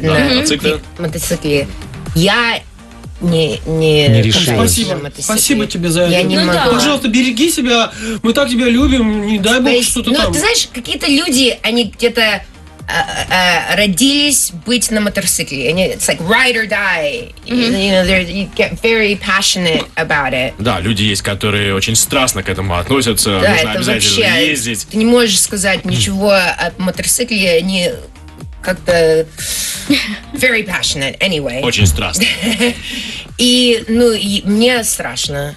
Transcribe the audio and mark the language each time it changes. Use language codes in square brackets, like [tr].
[ru] на мотоцикле. Я не решаю. Спасибо тебе за это. Я не могу. Пожалуйста, береги себя. Мы так тебя любим. Не дай бог что-то но, там. Ты знаешь, какие-то люди, они где-то родились быть на мотоцикле. [en] Они, it's like ride or die. Mm-hmm. You know, you get very passionate about it. [ru] Да, люди есть, которые очень страстно к этому относятся. Да, нужно обязательно вообще, ездить. Ты не можешь сказать ничего о мотоцикле, они как-то [en] very passionate anyway. [ru] Очень страстно. И, ну, и мне страшно.